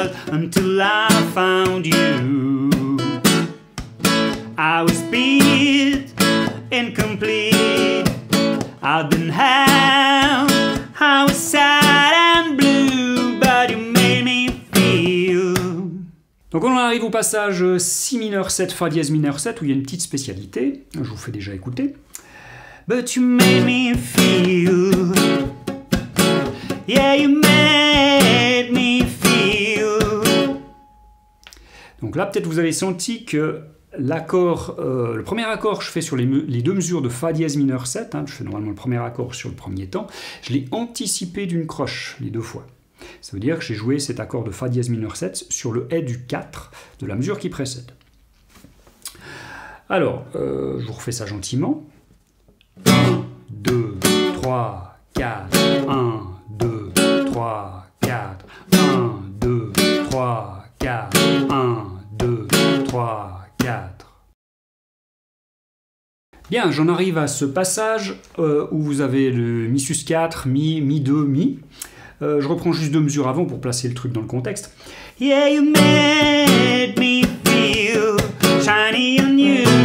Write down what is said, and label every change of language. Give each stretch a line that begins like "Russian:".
English: Until I found you, I was beat, incomplete. I've been hell, I was sad and blue, but you made me feel.
French: Donc on arrive au passage si mineur 7, fa dièse mineur 7, où il y a une petite spécialité. Je vous fais déjà écouter.
English: But you made me feel. Yeah, you made me feel.
French: Donc là, peut-être vous avez senti que l'accord, le premier accord que je fais sur les deux mesures de Fa dièse mineur 7, hein, je fais normalement le premier accord sur le premier temps, je l'ai anticipé d'une croche les deux fois. Ça veut dire que j'ai joué cet accord de Fa dièse mineur 7 sur le E du 4 de la mesure qui précède. Alors, je vous refais ça gentiment. 1, 2, 3, 4, 1, 2, 3, 4, 1, 3, 4, 1, 2, 3, 4. Bien, j'en arrive à ce passage où vous avez le Mi sus 4, Mi, Mi 2, Mi. Je reprends juste deux mesures avant pour placer le truc dans le contexte.
English: Yeah, you made me feel shiny and new.